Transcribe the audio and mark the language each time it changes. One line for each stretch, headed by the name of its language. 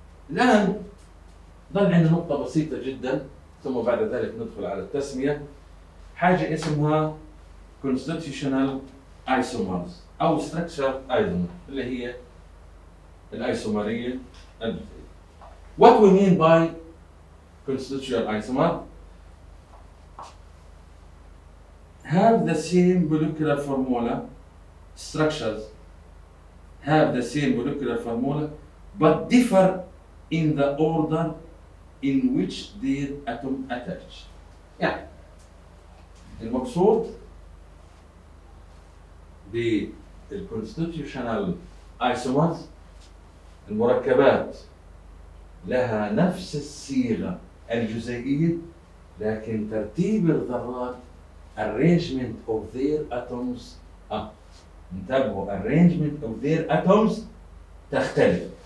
Arabic: الآن ظل عندنا نقطة بسيطة جدا، ثم بعد ذلك ندخل على التسمية. حاجة اسمها constitutional isomers أو structure isomers اللي هي الايسومرية الفعلية.
English: What we mean by constitutional isomer have the same molecular formula structures have the same molecular formula but differ in the order in which their atom attach.
Arabic: يعني المقصود بالconstitutional isomers المركبات لها نفس الصيغة الجزيئية لكن ترتيب الذرات
English: arrangement of their atoms
Arabic: انتبهوا arrangement of their atoms تختلف.